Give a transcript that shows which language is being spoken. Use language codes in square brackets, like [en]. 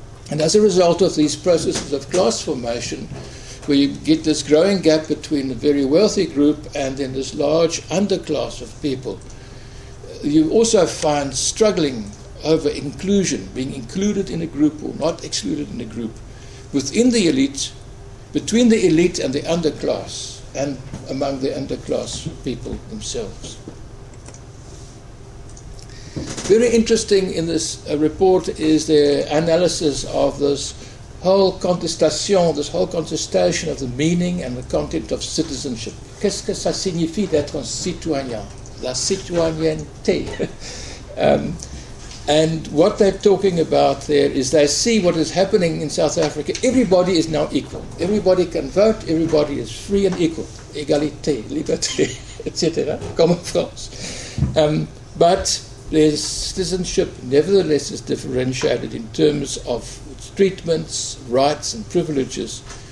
[en] And as a result of these processes of class formation, where you get this growing gap between a very wealthy group and then this large underclass of people, you also find struggling over inclusion, being included in a group or not excluded in a group, within the elite, between the elite and the underclass, and among the underclass people themselves. Very interesting in this report is the analysis of this whole contestation, of the meaning and the content of citizenship. [fr] Qu'est-ce que ça signifie d'être un citoyen? La citoyenneté. [en] And what they're talking about there is they see what is happening in South Africa. Everybody is now equal. Everybody can vote. Everybody is free and equal. [fr] Égalité, liberté, etc. Comme en France. [en] But there's citizenship, nevertheless, is differentiated in terms of treatments, rights, and privileges.